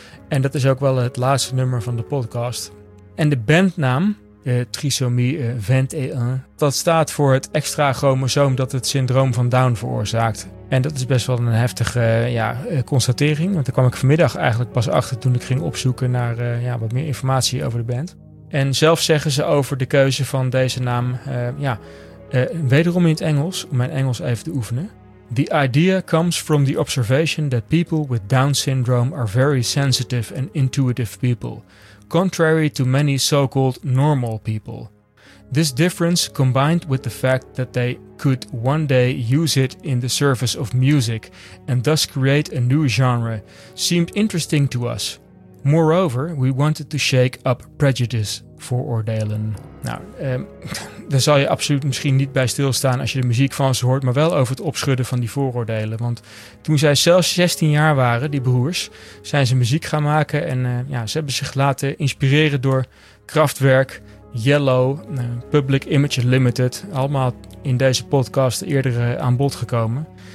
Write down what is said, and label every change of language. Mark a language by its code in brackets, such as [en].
[nl] En dat is ook wel het laatste nummer van de podcast. En de bandnaam, Trisomie 21, dat staat voor het extra chromosoom dat het syndroom van Down veroorzaakt. En dat is best wel een heftige constatering. Want daar kwam ik vanmiddag eigenlijk pas achter toen ik ging opzoeken naar wat meer informatie over de band. En zelf zeggen ze over de keuze van deze naam, wederom in het Engels, om mijn Engels even te oefenen. [en] The idea comes from the observation that people with Down syndrome are very sensitive and intuitive people, contrary to many so-called normal people. This difference, combined with the fact that they could one day use it in the service of music and thus create a new genre, seemed interesting to us. Moreover, we wanted to shake up prejudice, vooroordelen. [nl] Nou, daar zal je absoluut misschien niet bij stilstaan als je de muziek van ze hoort, maar wel over het opschudden van die vooroordelen. Want toen zij zelfs 16 jaar waren, die broers, zijn ze muziek gaan maken en ze hebben zich laten inspireren door Kraftwerk, Yellow, Public Image Limited, allemaal in deze podcast eerder aan bod gekomen.